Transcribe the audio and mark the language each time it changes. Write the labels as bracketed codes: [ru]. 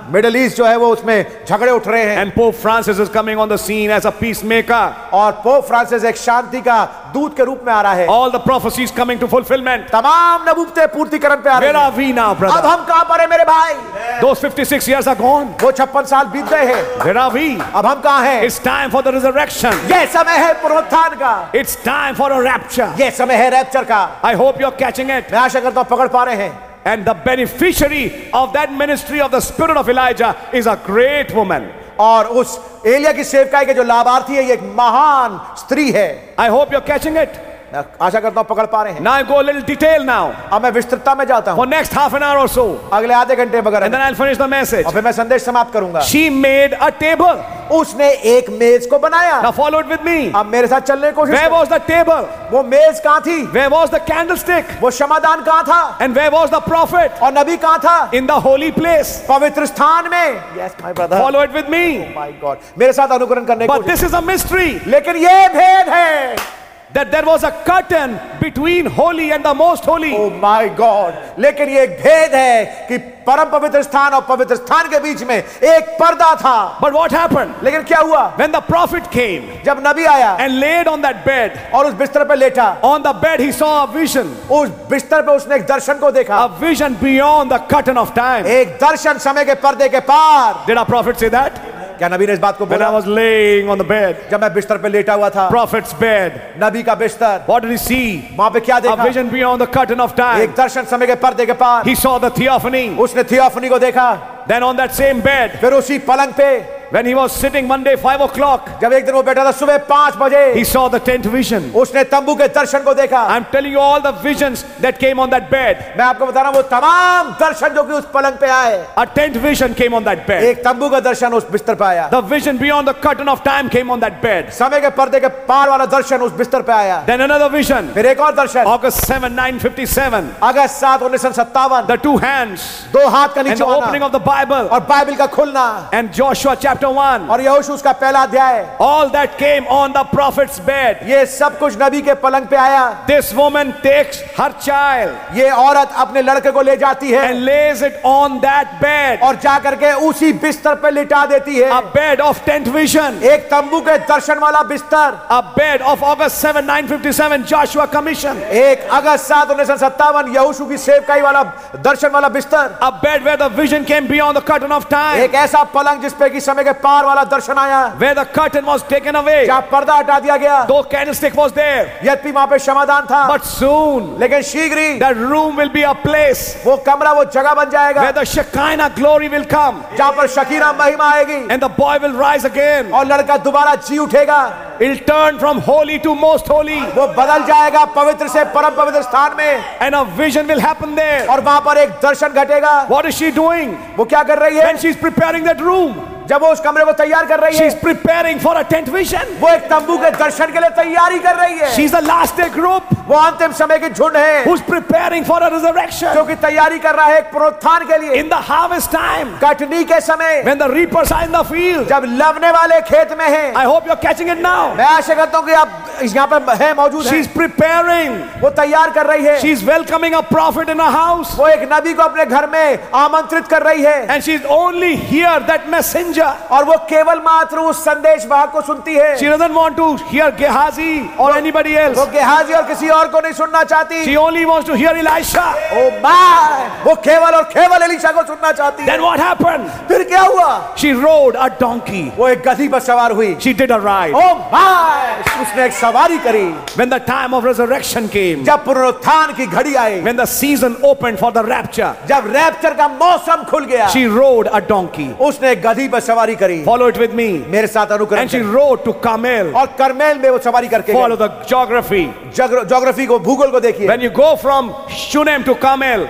[hi] Middle East जो है वो उसमें झगड़े उठ रहे हैं. [en] And Pope Francis is coming on the scene as a peacemaker. [hi] और Pope Francis एक शांति का दूत के रूप में आ रहा है. [en] All the prophecies coming to fulfillment. [hi] तमाम नबूते पूर्तिकरण पे आ रहे हैं. [en] Where are we now, brother? [hi] अब हम कहाँ पर हैं मेरे भाई? [en] Those 56 years are gone. [hi] वो 56 साल बीत गए हैं. [en] Where are we? [hi] अब हम कहाँ हैं? [en] It's time for the resurrection. [hi] ये समय है पुनरुत्थान का. [en] It's time for a rapture. [hi] ये समय है rapture का. [en] I hope you're catching it. [hi] मैं आशा करता हूँ पकड़ पा रहे हैं. [en] And the beneficiary of that ministry of the spirit of Elijah is a great woman. [hi] और उस एलिया की सेवकाई के जो लाभार्थी है ये एक महान स्त्री है. [en] I hope you're catching it. [hi] आशा करता हूँ पकड़ पा रहे हैं. [en] Now I go a little detail now. [hi] अब मैं विस्तृतता में जाता हूँ. [en] For next half an hour or so. [hi] अगले आधे घंटे वगैरह. [en] And then I'll finish the message. [hi] और फिर मैं संदेश समाप्त करूँगा. [en] She made a table. [hi] उसने एक मेज को बनाया. [en] Now follow it with me. [hi] अब मेरे साथ चलने की कोशिश. [en] Where was the table? [hi] वो मेज कहाँ थी? [en] Where was the candlestick? [hi] वो शमादान कहाँ था? [en] And where was the prophet? [hi] और नबी कहाँ था? [en] In the holy place. [hi] पवित्र स्थान में. [en] Yes, my brother. Follow it with me. Oh my God. [hi] मेरे साथ अनुकरण करने की कोशिश. [en] But this is a mystery. [hi] लेकिन ये भेद है. [en] That there was a curtain between holy and the most holy. Oh my God! [hi] लेकिन ये एक भेद है कि परम पवित्र स्थान और पवित्र स्थान के बीच में एक पर्दा था. [en] But what happened? [hi] लेकिन क्या हुआ? [en] When the prophet came, [hi] जब नबी आया, [en] and laid on that bed, [hi] और उस बिस्तर पे लेटा, [en] on the bed he saw a vision. [hi] उस बिस्तर पे उसने एक दर्शन को देखा. [en] A vision beyond the curtain of time. [hi] एक दर्शन समय के पर्दे के पार. [en] Did our prophet say that? [hi] क्या नबी ने इस बात को बोला? [en] When I was laying on the bed, [hi] जब मैं बिस्तर पे लेटा हुआ था, [en] prophet's bed, [hi] नबी का बिस्तर, [en] what did he see? [hi] वहाँ पे क्या देखा? [en] A vision beyond the curtain of time, [hi] एक दर्शन समय के पर्दे के पार, [en] he saw the theophany, [hi] उसने theophany को देखा, [en] then on that same bed, [hi] फिर उसी पलंग पे, [en] when he was sitting Monday 5 o'clock, [hi] जब एक दिन वो बैठा था सुबह 5 बजे, [en] he saw the tent vision, [hi] उसने तंबू के दर्शन को देखा. [en] I'm telling you all the visions that came on that bed. [hi] मैं आपको बता रहा हूँ वो तमाम दर्शन जो कि उस पलंग पे आए. [en] A tent vision came on that bed. [hi] एक तंबू का दर्शन उस बिस्तर पे आया. [en] The vision beyond the curtain of time came on that bed. [hi] समय के पर्दे के पार वाला दर्शन उस बिस्तर पे आया. [en] Then another vision. [hi] फिर एक और दर्शन. [en] August 7, 1957. August 7, 1957. The two hands. [hi] दो हाथ का नीचे [en] And the opening of the Bible. [hi] और बाइबल का खुलना. [en] And Joshua chapter. [hi] और यहोशू का पहला अध्याय. [en] All that came on the prophet's bed. [hi] ये सब कुछ नबी के पलंग पे आया. [en] This woman takes her child. [hi] ये औरत अपने लड़के को ले जाती है. [en] And lays it on that bed. [hi] और जा करके उसी बिस्तर पे लिटा देती है. [en] A bed of tent vision. [hi] एक तंबू के दर्शन वाला बिस्तर. [en] A bed of August 7, 1957 Joshua commission. [hi] एक August 7, 1957 यहोशू की सेवकाई वाला दर्शन वाला बिस्तर. [en] A bed where the vision came beyond the curtain of time. [hi] एक ऐसा पलंग जिस पे की समय के पार वाला दर्शन आया. [en] Where the curtain was taken away, [hi] जहाँ पर्दा हटा दिया गया. [en] दो candlestick was there, [hi] यद्यपि वहाँ पे शमादान था. [en] But soon, [hi] लेकिन शीघ्र ही, [en] the room will be a place, [hi] वो कमरा वो जगह बन जाएगा. [en] Where the Shekinah glory will come, [hi] जहाँ पर शकीना महिमा आएगी. [en] And the boy will rise again, [hi] और लड़का दोबारा जी उठेगा. [en] It'll turn from holy to most holy. [hi] वो बदल जाएगा पवित्र से परम पवित्र स्थान में. [en] And a vision will happen there. [hi] और वहाँ पर एक दर्शन घटेगा. [en] What is she doing? [hi] वो क्या कर रही है? [en] When she's preparing that room. [hi] जब वो उस कमरे को तैयार कर रही [en] है. She's preparing for a tent vision. [hi] वो एक तंबू के दर्शन के लिए तैयारी कर रही है. [en] She's the last day group. [hi] वो अंतिम समय के झुंड है. [en] Who's preparing for a resurrection. [hi] जो कि तैयारी कर रहा है एक पुनरुत्थान के लिए. [en] In the harvest time. [hi] Katni के समय. [en] When the reapers are in the field. [hi] जब लवने वाले खेत में हैं. [en] I hope you're catching it now. [hi] मैं आशा करता हूँ कि आप यहाँ पर हैं मौजूद [en] हैं. She's preparing. [hi] वो तैयार कर रही है. [en] She's welcoming a prophet in a house. [hi] वो एक नबी को अपने घर में आमंत्रित कर रही है. [en] And she's only here that messenger. messenger. [hi] और वो केवल मात्र उस संदेश वाहक को सुनती है. [en] She doesn't want to hear Gehazi or anybody else. [hi] वो गेहाजी और किसी और को नहीं सुनना चाहती. [en] She only wants to hear Elisha. Oh my! [hi] वो केवल और केवल एलिशा को सुनना चाहती. [en] Then what happened? [hi] फिर क्या हुआ? [en] She rode a donkey. [hi] वो एक गधी पर सवार हुई. [en] She did a ride. Oh my! [hi] उसने एक सवारी करी. [en] When the time of resurrection came. [hi] जब पुनरुत्थान की घड़ी आई. [en] When the season opened for the rapture. [hi] जब रैप्चर का मौसम खुल गया. [en] She rode a donkey. [hi] उसने गधी पर सवारी करी. [en] Follow it with me. [hi] मेरे साथ अनुकरण. [en] And she rode to Carmel. [hi] और कर्मेल में वो सवारी करके. [en] Follow the geography. [hi] ज्योग्राफी को भूगोल को देखिए. [en] When you go from Shunem to Carmel.